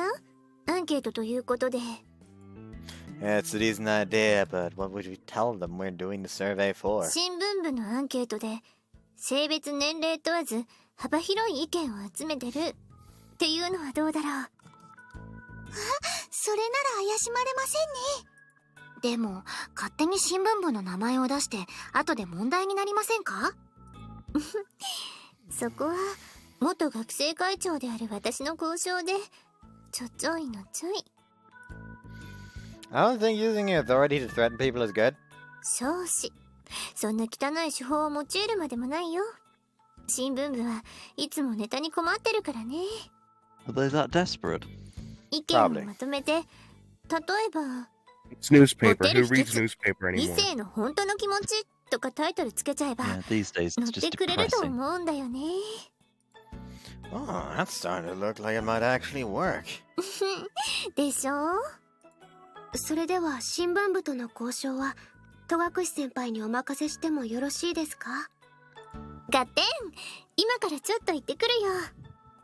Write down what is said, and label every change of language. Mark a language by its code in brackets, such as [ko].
[ja] それだけじゃちょっと弱い気もするから。あ、他の先生方にも聞いちゃう？アンケートということで。 [en] Yeah, it's a decent idea, but what would we tell them we're doing the survey for? [ja] 新聞部のアンケートで。性別年齢問わず幅広い意見を集めてるっていうのはどうだろう。それなら怪しまれませんね。でも勝手に新聞部の名前を出して後で問題になりませんか。 そこは元学生会長である私の交渉で、ちょちょいのちょい。 [en] I don't think using your authority to threaten people is good. [ja] 少子。そんな汚い手法を用いるまでもないよ。新聞部はいつもネタに困ってるからね。 [en] Are they that desperate? [ja] 意見をまとめて、例えば、 [en] It's newspaper. Who reads newspaper anymore? [ja] 異性の本当の気持ちとかタイトルつけちゃえば、乗ってくれると思うんだよね。 [en] Oh, that's starting to look like it might actually work. [ja] でしょ? それでは新聞部との交渉は戸隠先輩にお任せしてもよろしいですか? ガッテン! 今からちょっと行ってくるよ。